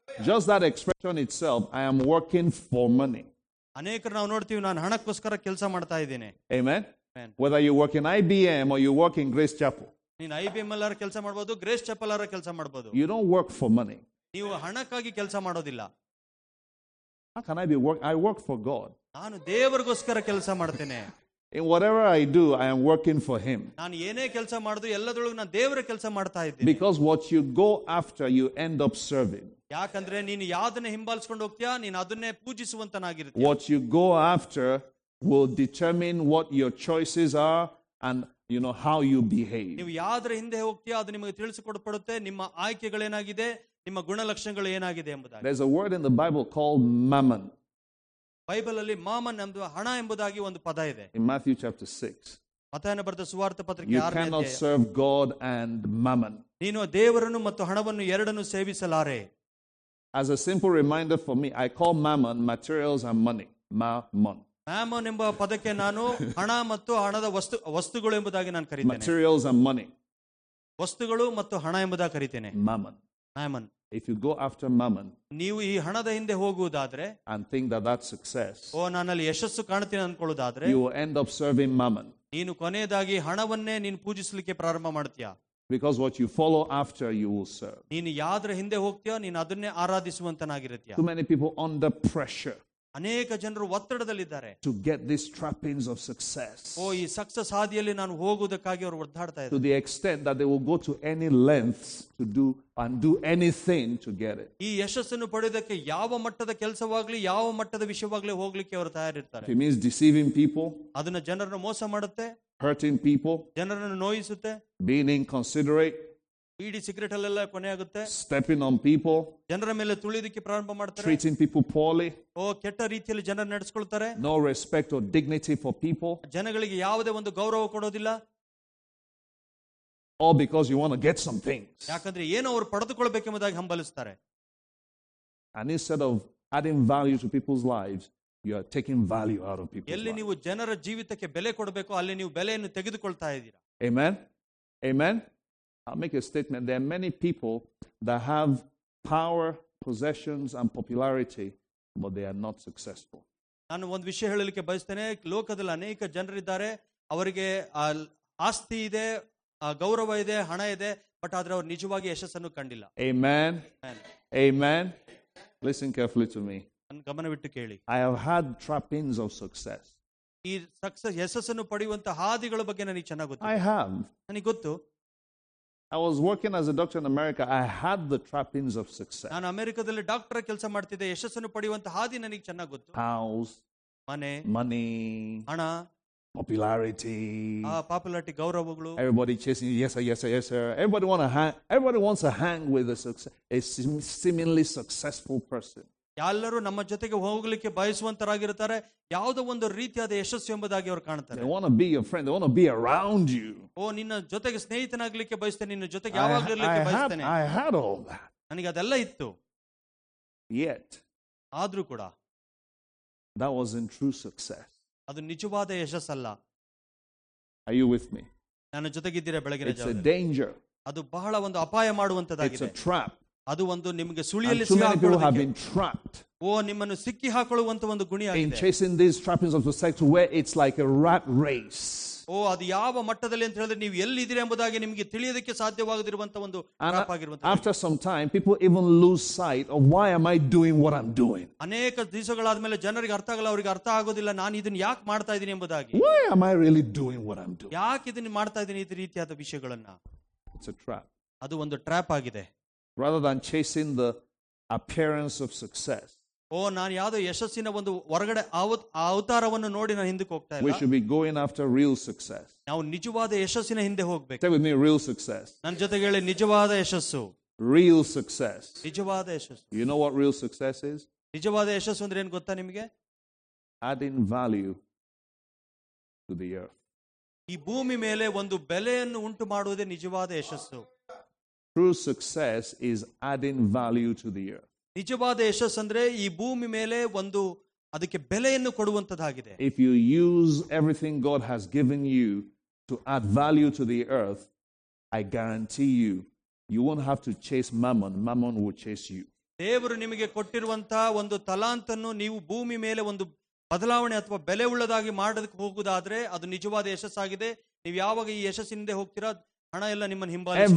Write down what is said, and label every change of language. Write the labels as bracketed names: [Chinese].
[English] Just that expression itself, I am working for money. [Kannada] ಅನೇಕರು ನಾವು ನೋಡ್ತೀವಿ ನಾನು ಹಣಕ್ಕೋಸ್ಕರ ಕೆಲಸ ಮಾಡ್ತಾ ಇದ್ದೇನೆ. [English] Amen. Whether you work in IBM or you work in Grace Chapel. [Kannada] ನೀನು IBM ಅಲ್ಲಾರ ಕೆಲಸ ಮಾಡಬಹುದು ಗ್ರೇಸ್ ಚಾಪಲ್ ಅಲ್ಲಾರ ಕೆಲಸ ಮಾಡಬಹುದು. [English] You don't work for money. [Kannada] ನೀವು ಹಣಕ್ಕಾಗಿ ಕೆಲಸ ಮಾಡೋದಿಲ್ಲ. [English] How can I be work? I work for God. [Kannada] ನಾನು ದೇವರಿಗೋಸ್ಕರ ಕೆಲಸ ಮಾಡ್ತೇನೆ. [English] In whatever I do, I am working for him. [Kannada] ನಾನು ಏನೇ ಕೆಲಸ ಮಾಡಿದ್ರು ಎಲ್ಲದರೊಳಗೂ ನಾನು ದೇವರ ಕೆಲಸ ಮಾಡ್ತಾ ಇದ್ದೇನೆ. [English] Because what you go after, you end up serving. [Kannada] ಯಾಕಂದ್ರೆ ನೀನು ಯಾವುದನ್ನ ಹಿಂಬಾಲಿಸಿಕೊಂಡು ಹೋಗ್ತೀಯ ನೀನು ಅದನ್ನೇ ಪೂಜಿಸುವಂತನಾಗಿರುತ್ತೆ. [English] What you go after will determine what your choices are and you know how you behave. [Kannada] ನೀವು ಯಾದ್ರ ಹಿಂದೆ ಹೋಗ್ತೀಯಾ ಅದು ನಿಮಗೆ ತಿಳಿಸಿಕೊಡಪಡುತ್ತೆ ನಿಮ್ಮ ಆಯ್ಕೆಗಳು ಏನಾಗಿದೆ ನಿಮ್ಮ ಗುಣಲಕ್ಷಣಗಳು ಏನಾಗಿದೆ ಎಂಬುದಾಗಿ. [English] There's a word in the Bible called mammon. [Kannada] Bible ಅಲ್ಲಿ ಮಾಮನ್ ಎಂಬುದು ಹಣ ಎಂಬುದಾಗಿ ಒಂದು ಪದ ಇದೆ. [English] In Matthew chapter 6. [Kannada] ಮತ್ತಾಯನ ಬರೆದ ಸುವಾರ್ತೆ ಪತ್ರಿಕೆ 6ನೇ ಅಧ್ಯಾಯ. [English] You cannot serve God and mammon. [Kannada] ನೀನು ದೇವರನ್ನು ಮತ್ತು ಹಣವನ್ನು ಎರಡನ್ನು ಸೇವಿಸಲಾರೆ. [English] As a simple reminder for me, I call mammon materials and money. Mammon. [Kannada] Mammon ಎಂಬ ಪದಕ್ಕೆ ನಾನು ಹಣ ಮತ್ತು ಹಣದ ವಸ್ತುಗಳು ಎಂಬುದಾಗಿ ನಾನು ಕರೀತೇನೆ. [English] Materials and money. [Kannada] ವಸ್ತುಗಳು ಮತ್ತು ಹಣ ಎಂಬುದಾಗಿ ಕರೀತೇನೆ. Mammon. Mammon. [English] If you go after mammon, [Kannada] ನೀವು ಈ ಹಣದ ಹಿಂದೆ ಹೋಗುವುದಾದ್ರೆ [English] and think that that's success, [Kannada] ಓ ನಾನಲ್ಲಿ ಯಶಸ್ಸು ಕಾಣ್ತೀನಿ ಅನ್ಕೊಳ್ಳೋದಾದ್ರೆ [English] you will end up serving mammon. [Kannada] ನೀನು ಕೊನೆಯದಾಗಿ ಹಣವನ್ನೇ ನೀನು ಪೂಜಿಸಲಿಕ್ಕೆ ಪ್ರಾರಂಭ ಮಾಡ್ತೀಯಾ. [English] Because what you follow after, you will serve. [Kannada] ನೀನು ಯಾವ್ದ್ರ ಹಿಂದೆ ಹೋಗ್ತೀಯೋ ನೀನು ಅದನ್ನೇ ಆರಾಧಿಸುವಂತನಾಗಿರುತ್ತೀಯ. [English] Too many people under pressure. [Kannada] ಅನೇಕ ಜನರು ಒತ್ತಡದಲ್ಲಿದ್ದಾರೆ. [English] To get these trappings of success. [Kannada] ಓ ಈ ಸಕ್ಸಸ್ ಹಾದಿಯಲ್ಲಿ ನಾನು ಹೋಗುವುದಕ್ಕಾಗಿ ಅವರು ಒದ್ದಾಡ್ತಾ ಇದ್ದಾರೆ. [English] To the extent that they will go to any lengths to do and do anything to get it. [Kannada] ಈ ಯಶಸ್ಸನ್ನು ಪಡೆಯುವುದಕ್ಕೆ ಯಾವ ಮಟ್ಟದ ಕೆಲಸವಾಗಲಿ ಯಾವ ಮಟ್ಟದ ವಿಷಯವಾಗಲಿ ಹೋಗ್ಲಿಕ್ಕೆ ಅವರು ತಯಾರಿರ್ತಾರೆ. [English] It means deceiving people. [Kannada] ಅದನ್ನ ಜನರನ್ನು ಮೋಸ ಮಾಡುತ್ತೆ. [English] Hurting people. [Kannada] ಜನರನ್ನು ನೋಯಿಸುತ್ತೆ. [English] Being inconsiderate. [Kannada] ಇಡೀ ಸಿಗರೆಟ್ ಅಲ್ಲೆಲ್ಲ ಕೊನೆಯಾಗುತ್ತೆ. [English] stepping on people, [Kannada] ಜನರ ಮೇಲೆ ತುಳಿಯೋದಕ್ಕೆ ಪ್ರಾರಂಭ ಮಾಡ್ತಾರೆ. [English] treating people poorly, [Kannada] ಓ ಕೆಟ್ಟ ರೀತಿಯಲ್ಲಿ ಜನರ ನಡೆಸಿಕೊಳ್ತಾರೆ. [English] no respect or dignity for people, [Kannada] ಜನಗಳಿಗೆ ಯಾವುದೇ ಒಂದು ಗೌರವ ಕೊಡೋದಿಲ್ಲ. [English] all because you want to get some things, [Kannada] ಯಾಕಂದ್ರೆ ಏನೋ ಅವರು ಪಡೆದುಕೊಳ್ಬೇಕೆಂಬುದಾಗಿ ಹಂಬಲಿಸ್ತಾರೆ. [English] And instead of adding value to people's lives, you are taking value out of people. [Kannada] ಎಲ್ಲಿ ನೀವು ಜನರ ಜೀವಿತಕ್ಕೆ ಬೆಲೆ ಕೊಡಬೇಕು ಅಲ್ಲಿ ನೀವು ಬೆಲೆಯನ್ನು ತೆಗೆದುಕೊಳ್ತಾ ಇದ್ದೀರಾ. [English] Amen, amen. I'll make a statement. There are many people that have power, possessions, and popularity, but they are not successful. [Kannada] ನಾನು ಒಂದು ವಿಷಯ ಹೇಳಲಿಕ್ಕೆ ಬಯಸ್ತೇನೆ. ಲೋಕದಲ್ಲಿ ಅನೇಕ ಜನರಿದ್ದಾರೆ, ಅವರಿಗೆ ಆಸ್ತಿ ಇದೆ, ಗೌರವ ಇದೆ, ಹಣ ಇದೆ, ಬಟ್ ಆದ್ರೆ ಅವರು ನಿಜವಾಗಿ ಯಶಸ್ಸನ್ನು ಕಂಡಿಲ್ಲ. [English] Amen. Amen. Listen carefully to me. [Kannada] ನನ್ನ ಗಮನವಿಟ್ಟು ಕೇಳಿ. [English] I have had trappings of success. [Kannada] ಈ ಸಕ್ಸಸ್, ಯಶಸ್ಸನ್ನು ಪಡೆಯುವಂತಹ ಹಾದಿಗಳ ಬಗ್ಗೆ ನನಗೆ ಚೆನ್ನಾಗಿ ಗೊತ್ತು. [English] I have. [Kannada] ನನಗೆ ಗೊತ್ತು. [English] I was working as a doctor in America. I had the trappings of success. [Kannada] ನಾನು ಅಮೆರಿಕದಲ್ಲಿ ಡಾಕ್ಟರ್ ಕೆಲಸ ಮಾಡುತ್ತಿದ್ದೆ, ಯಶಸ್ಸನ್ನು ಪಡೆಯುವಂತಹ ಹಾದಿ ನನಗೆ ಚೆನ್ನಾಗಿ ಗೊತ್ತು. [English] House, [Kannada] ಮನೆ, [English] money, [Kannada] ಹಣ, [English] popularity, [Kannada] popularity, ಗೌರವಗಳು. [English] Everybody chasing, yes sir, yes sir, yes sir. Everybody want to hang, everybody wants to hang with a success, a seemingly successful person. [Kannada] ಎಲ್ಲರೂ ನಮ್ಮ ಜೊತೆಗೆ ಹೋಗಲಿಕ್ಕೆ ಬಯಸುವಂತರಾಗಿರುತ್ತಾರೆ. ಯಾವುದೋ ಒಂದು ರೀತಿಯಾದ ಯಶಸ್ಸು ಎಂಬುದಾಗಿ ಅವರು ಕಾಣುತ್ತಾರೆ. [English] They want to be your friend, they want to be around you. [Kannada] ಓ, ನಿನ್ನ ಜೊತೆಗೆ ಸ್ನೇಹಿತನಾಗಲಿಕ್ಕೆ ಬಯಸ್ತೇನೆ, ನಿನ್ನ ಜೊತೆಗೆ ಯಾವಾಗಲಿಕ್ಕೆ ಬಯಸ್ತೇನೆ. [English] I had all that. [Kannada] ನನಗೆ ಅದೆಲ್ಲ ಇತ್ತು. [English] Yet. [Kannada] ಆದರೂ ಕೂಡ. [English] That wasn't true success. [Kannada] ಅದು ನಿಜವಾದ ಯಶಸ್ಸಲ್ಲ. [English] Are you with me? [Kannada] ನನ್ನ ಜೊತೆಗಿದ್ದೀರಾ ಬೆಳಗಿನ ಜಾವ? [English] It's a danger. [Kannada] ಅದು ಬಹಳ ಒಂದು ಅಪಾಯ ಮಾಡುವಂತದಾಗಿದೆ. [English] It's a trap. [Kannada] ಅದು ಒಂದು ನಿಮಗೆ ಸುಳಿಯಲ್ಲಿ ಸಿಕ್ಕಿ ಹಾಕೊಳ್ಳುವಂತ, ಓ ನಿಮ್ಮನ್ನು ಸಿಕ್ಕಿ ಹಾಕೊಳ್ಳುವಂತ ಒಂದು ಗುಣಿಯಾಗಿದೆ. [English] In chasing these trappings of the sex where it's like a rat race. [Kannada] ಓ, ಅದು ಯಾವ ಮಟ್ಟದಲ್ಲಿ ಅಂತ ಹೇಳಿದ್ರೆ ನೀವು ಎಲ್ಲಿದ್ದೀರಿ ಎಂಬುದಾಗಿ ನಿಮಗೆ ತಿಳಿಯೋದಕ್ಕೆ ಸಾಧ್ಯವಾಗದಿರುವಂತ ಒಂದು ಟ್ರ್ಯಾಪ್ ಆಗಿರುವಂತ. [English] After some time people even lose sight of why am I doing what I'm doing. [Kannada] ಅನೇಕ ದಿವಸಗಳಾದ ಮೇಲೆ ಜನರಿಗೆ ಅರ್ಥ ಆಗಲ್ಲ, ಅವರಿಗೆ ಅರ್ಥ ಆಗೋದಿಲ್ಲ ನಾನು ಇದನ್ನ ಯಾಕೆ ಮಾಡ್ತಾ ಇದ್ದೀನಿ ಎಂಬುದಾಗಿ. [English] Why am I really doing what I'm doing? [Kannada] ಯಾಕೆ ಇದನ್ನ ಮಾಡ್ತಾ ಇದ್ದೀನಿ ಈ ರೀತಿಯಾದ ವಿಷಯಗಳನ್ನ. [English] It's a trap. [Kannada] ಅದು ಒಂದು ಟ್ರ್ಯಾಪ್ ಆಗಿದೆ. [English] Rather than chasing the appearance of success. [Kannada] ಓ, ನಾನು ಯಾವುದೋ ಯಶಸ್ಸಿನ ಒಂದು ಹೊರಗಡೆ ಅವತಾರವನ್ನು ನೋಡಿ ನಾನು ಹಿಂದಕ್ಕೆ ಹೋಗ್ತಾ ಇಲ್ಲ. [English] We should be going after real success. [Kannada] ನಾವು ನಿಜವಾದ ಯಶಸ್ಸಿನ ಹಿಂದೆ ಹೋಗಬೇಕು. [English] Tell me real success. [Kannada] ನನ್ನ ಜೊತೆಗೆ ಹೇಳಿ ನಿಜವಾದ ಯಶಸ್ಸು. [English] Real success. [Kannada] ನಿಜವಾದ ಯಶಸ್ಸು. [English] You know what real success is? [Kannada] ನಿಜವಾದ ಯಶಸ್ಸು ಅಂದ್ರೆ ಏನು ಗೊತ್ತಾ ನಿಮಗೆ? [English] Adding value to the earth. [Kannada] ಈ ಭೂಮಿ ಮೇಲೆ ಒಂದು ಬೆಲೆಯನ್ನು ಉಂಟು ಮಾಡುವುದೇ ನಿಜವಾದ ಯಶಸ್ಸು. [English] True success is adding value to the earth. [Kannada] ನಿಜವಾದ ಯಶಸ್ ಅಂದ್ರೆ ಈ ಭೂಮಿ ಮೇಲೆ ಒಂದು ಅದಕ್ಕೆ ಬೆಲೆಯನ್ನು ಕೊಡುವಂತದಾಗಿದೆ. [English] If you use everything God has given you to add value to the earth, I guarantee you, you won't have to chase mammon. Mammon will chase you. [Kannada] ದೇವರು ನಿಮಗೆ ಕೊಟ್ಟಿರುವಂತಹ ಒಂದು ತಲಾಂತನ್ನು ನೀವು ಭೂಮಿ ಮೇಲೆ ಒಂದು ಬದಲಾವಣೆ ಅಥವಾ ಬೆಲೆ ಉಳ್ಳದಾಗಿ ಮಾಡೋದಕ್ಕೆ ಹೋಗುದಾದ್ರೆ ಅದು ನಿಜವಾದ ಯಶಸ್ಸಾಗಿದೆ. ನೀವು ಯಾವಾಗ ಈ ಯಶಸ್ಸಿನಿಂದ ಹೋಗ್ತೀರಾ, ಹಣ ಎಲ್ಲ ನಿಮ್ಮನ್ನು ಹಿಂಬಾಲಿಸುತ್ತೆ.